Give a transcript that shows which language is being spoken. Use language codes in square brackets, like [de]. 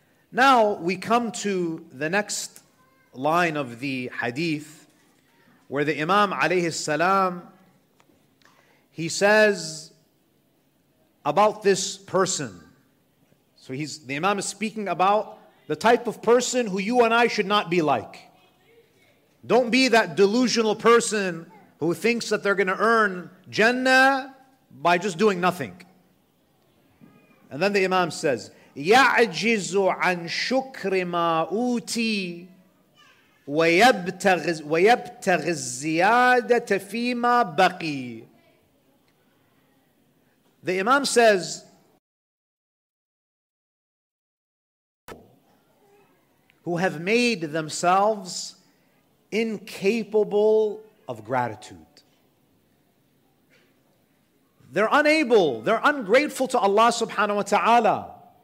[en] Now we come to the next line of the hadith, where the Imam alayhi salam, he says about this person. So the Imam is speaking about the type of person who you and I should not be like. Don't be that delusional person who thinks that they're going to earn Jannah by just doing nothing. And then the Imam says, [ar] يَعْجِزُ عَنْ شُكْرِ مَا أُوتِي وَيَبْتَغِ الزِّيَادَةَ فِي مَا بَقِي. [en] The Imam says, who have made themselves incapable of gratitude. They're unable, they're ungrateful to Allah subhanahu wa ta'ala.